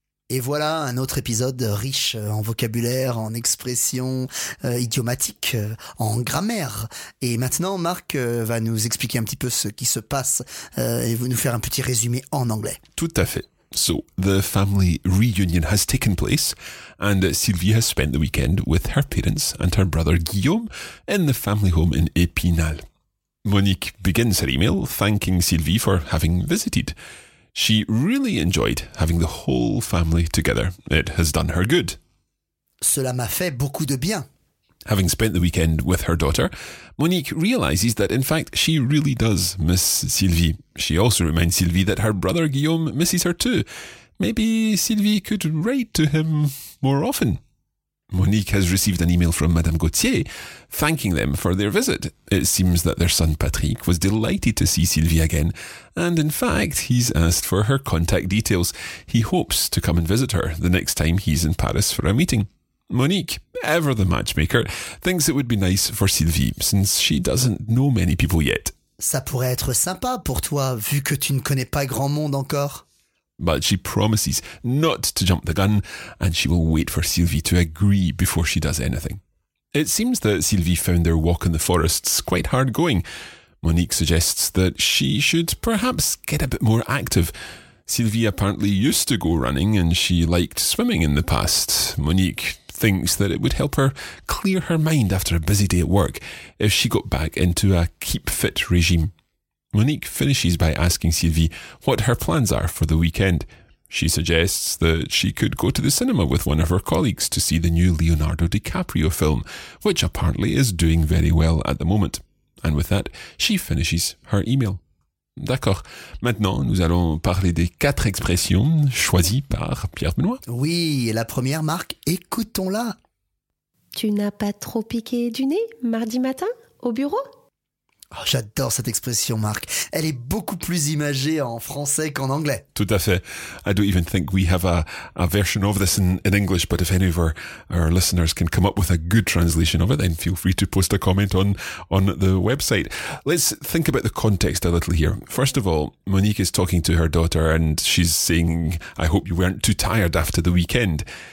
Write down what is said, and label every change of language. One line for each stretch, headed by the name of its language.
French: Et voilà un autre épisode riche en vocabulaire, en expressions idiomatiques, en grammaire. Et maintenant, Marc va nous expliquer un petit peu ce qui se passe et va nous faire un petit résumé en anglais. Tout à fait.
English: So, the family reunion has taken place and Sylvie has spent the weekend with her parents and her brother Guillaume in the family home in Épinal. Monique begins her email thanking Sylvie for having visited. She really enjoyed having the whole family together. It has done her good.
French: Cela m'a fait beaucoup de bien.
English: Having spent the weekend with her daughter, Monique realizes that in fact she really does miss Sylvie. She also reminds Sylvie that her brother Guillaume misses her too. Maybe Sylvie could write to him more often. Monique has received an email from Madame Gauthier thanking them for their visit. It seems that their son Patrick was delighted to see Sylvie again, and in fact, he's asked for her contact details. He hopes to come and visit her the next time he's in Paris for a meeting. Monique, ever the matchmaker, thinks it would be nice for Sylvie, since she doesn't know many people yet.
French: Ça pourrait être sympa pour toi, vu que tu ne connais pas grand monde encore.
English: But she promises not to jump the gun, and she will wait for Sylvie to agree before she does anything. It seems that Sylvie found their walk in the forests quite hard going. Monique suggests that she should perhaps get a bit more active. Sylvie apparently used to go running, and she liked swimming in the past. Monique thinks that it would help her clear her mind after a busy day at work if she got back into a keep-fit regime. Monique finishes by asking Sylvie what her plans are for the weekend. She suggests that she could go to the cinema with one of her colleagues to see the new Leonardo DiCaprio film, which apparently is doing very well at the moment. And with that, she finishes her email.
French: D'accord. Maintenant, nous allons parler des quatre expressions choisies par Pierre Benoît. Oui, et la première, Marc, écoutons-la. Tu n'as pas trop piqué du nez mardi matin au bureau ? Oh, j'adore cette expression, Marc. Elle est beaucoup plus imagée en français qu'en anglais. Tout à fait.
English: I don't even think we have a version of this in English, but if any of our listeners can come up with a good translation of it, then feel free to post a comment on the website. Let's think about the context a little here. First of all, Monique is talking to her daughter and she's saying, I hope you weren't too tired after the weekend.